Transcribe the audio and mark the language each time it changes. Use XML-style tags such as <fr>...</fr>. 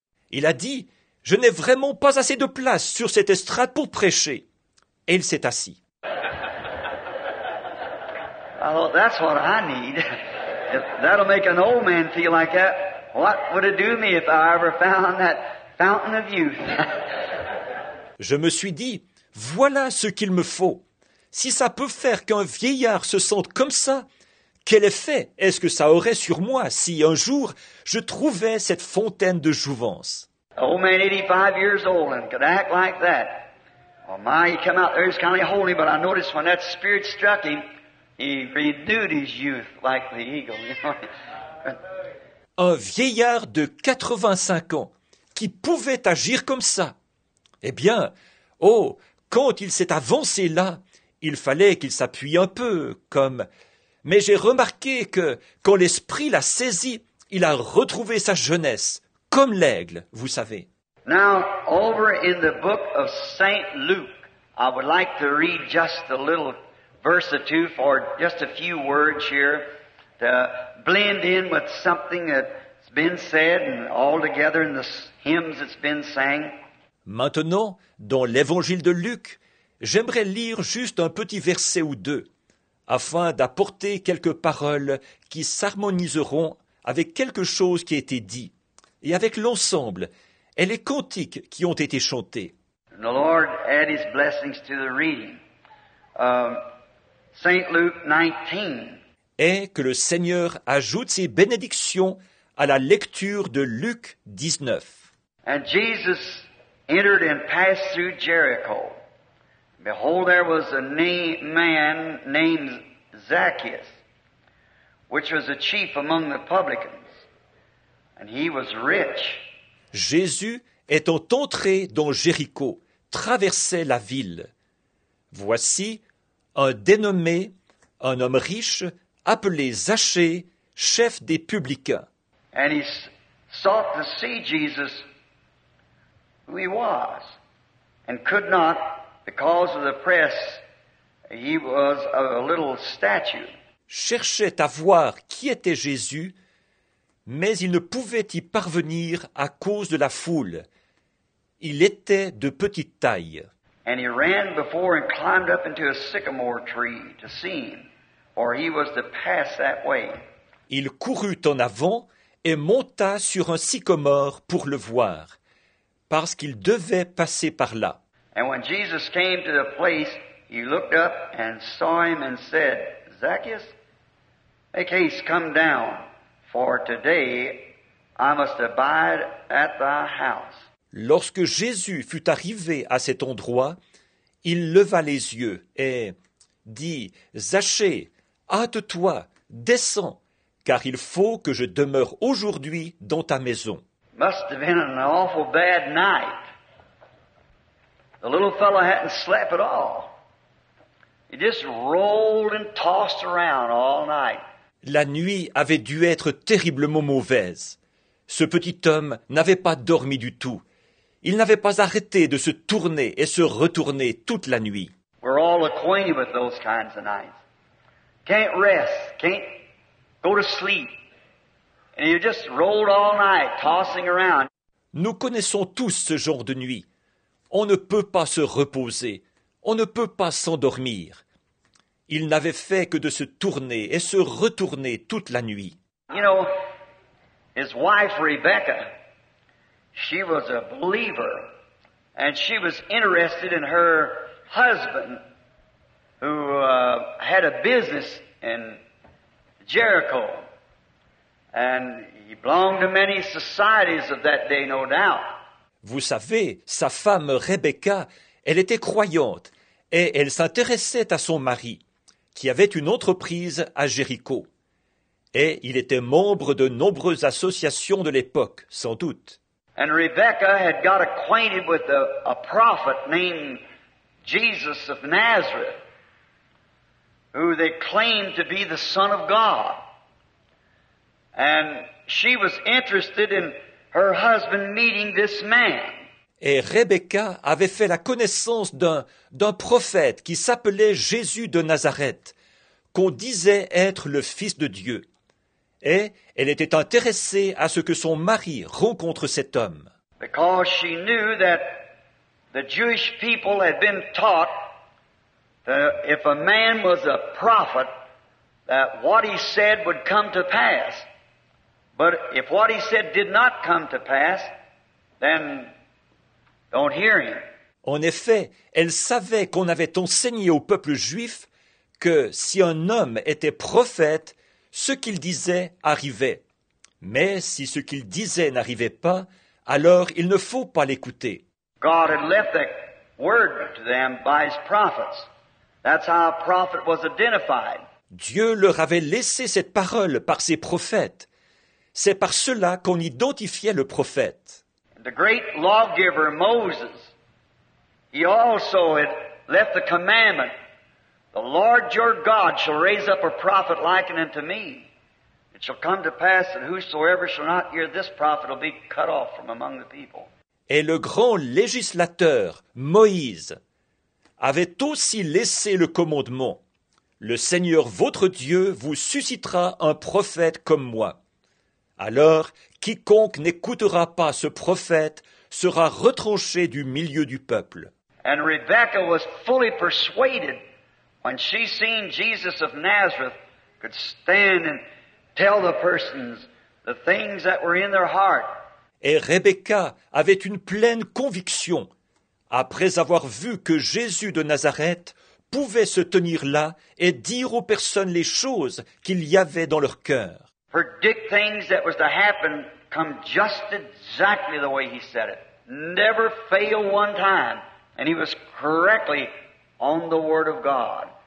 <fr>Il a dit, « Je n'ai vraiment pas assez de place sur cette estrade pour prêcher. » Et il s'est assis. Alors,</fr> <en>that's what I need. If that'll make an old man feel like that, what would it do me if I ever found that fountain of youth?</en> <fr>Je me suis dit, voilà ce qu'il me faut. Si ça peut faire qu'un vieillard se sente comme ça, quel effet est-ce que ça aurait sur moi si un jour je trouvais cette fontaine de jouvence?</fr> <en>Old man 85 years old and could act like that. Well, my, he came out there, he's kind of holy, but I noticed when that spirit struck him, he renewed his youth like the eagle.</en> <fr>Un vieillard de 85 ans qui pouvait agir comme ça. Eh bien, oh, quand il s'est avancé là, il fallait qu'il s'appuie un peu, comme... Mais j'ai remarqué que, quand l'esprit l'a saisi, il a retrouvé sa jeunesse, comme l'aigle, vous savez.</fr> <en>Now, over in the book of Saint Luke, I would like to read just a little verse or two for just a few words here to blend in with something that's been said and all together in the hymns that's been sang.</en> <fr>Maintenant, dans l'évangile de Luc, j'aimerais lire juste un petit verset ou deux, afin d'apporter quelques paroles qui s'harmoniseront avec quelque chose qui a été dit, et avec l'ensemble, et les cantiques qui ont été chantés.</fr> <en>The Lord add his blessings to the reading. Saint Luke 19.</en> <fr>Et que le Seigneur ajoute ses bénédictions à la lecture de Luc 19.</fr> <en>And Jesus entered and passed through Jericho. Behold, there was a man named Zacchaeus, which was a chief among the publicans, and he was rich.</en> <fr>Jésus étant entré dans Jéricho, traversait la ville. Voici un dénommé, un homme riche, appelé Zachée, chef des publicains.</fr> <en>And he sought to see Jesus, who he was, and could not, because of the press, he was a little statue.</en> <fr>Cherchait à voir qui était Jésus, mais il ne pouvait y parvenir à cause de la foule. Il était de petite taille.</fr> <en>And he ran before and climbed up into a sycamore tree to see him, for he was to pass that way.</en> <fr>Il courut en avant et monta sur un sycomore pour le voir, parce qu'il devait passer par là.</fr> <en>And when Jesus came to the place, he looked up and saw him and said, Zacchaeus, make haste, come down, for today I must abide at thy house.</en> <fr>Lorsque Jésus fut arrivé à cet endroit, il leva les yeux et dit, « Zachée, hâte-toi, descends, car il faut que je demeure aujourd'hui dans ta maison. »</fr> <en>Must have been an awful bad night. The little fellow hadn't slept at all. He just rolled and tossed around all night.</en> <fr>La nuit avait dû être terriblement mauvaise. Ce petit homme n'avait pas dormi du tout. Il n'avait pas arrêté de se tourner et se retourner toute la nuit.</fr> <en>We're all acquainted with those kinds of nights. Can't rest, can't go to sleep. And you just rolled all night, tossing around.</en> <fr>Nous connaissons tous ce genre de nuit. On ne peut pas se reposer. On ne peut pas s'endormir. Il n'avait fait que de se tourner et se retourner toute la nuit.</fr> <en>You know, his wife Rebecca, she was a believer. And she was interested in her husband, who had a business in Jericho. And he belonged to many societies of that day, no doubt.</en> <fr>Vous savez, sa femme Rebecca, elle était croyante et elle s'intéressait à son mari, qui avait une entreprise à Jéricho. Et il était membre de nombreuses associations de l'époque, sans doute.</fr> <en>And Rebecca had got acquainted with a prophet named Jesus of Nazareth, who they claimed to be the Son of God. And she was interested in her husband meeting this man.</en> <fr>Et Rebecca avait fait la connaissance d'un prophète qui s'appelait Jésus de Nazareth, qu'on disait être le Fils de Dieu. Et elle était intéressée à ce que son mari rencontre cet homme.</fr> <en>Because she knew that the Jewish people had been taught that if a man was a prophet, that what he said would come to pass. But if what he said did not come to pass, then don't hear him.</en> <fr>En effet, elle savait qu'on avait enseigné au peuple juif que si un homme était prophète, ce qu'il disait arrivait. Mais si ce qu'il disait n'arrivait pas, alors il ne faut pas l'écouter.</fr> <en>God had left that word to them by his prophets. That's how a prophet was identified.</en> <fr>Dieu leur avait laissé cette parole par ses prophètes. C'est par cela qu'on identifiait le prophète.</fr> <en>The great lawgiver Moses, he also had left the commandment, the Lord your God shall raise up a prophet like unto me. It shall come to pass that whosoever shall not hear this prophet will be cut off from among the people.</en> <fr>Et le grand législateur Moïse avait aussi laissé le commandement, le Seigneur votre Dieu vous suscitera un prophète comme moi. Alors, quiconque n'écoutera pas ce prophète sera retranché du milieu du peuple.</fr> <en>And Rebecca was fully persuaded when she seen Jesus of Nazareth could stand and tell the persons the things that were in their heart.</en> <fr>Et Rebecca avait une pleine conviction après avoir vu que Jésus de Nazareth pouvait se tenir là et dire aux personnes les choses qu'il y avait dans leur cœur.</fr> <en>Predict things that was to happen come just exactly the way he said it. Never fail one time. And he was correctly on the word of God.</en>